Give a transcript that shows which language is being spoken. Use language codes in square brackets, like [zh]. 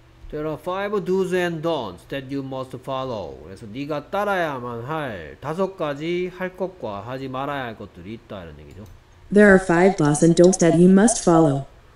[en] 'There are five do's and don'ts that you must follow.' [ko] 그래서 네가 따라야만 할 다섯 가지 할 것과 하지 말아야 할 것들이 있다 이런 얘기죠. [en] 'There are five do's and don'ts that you must follow.'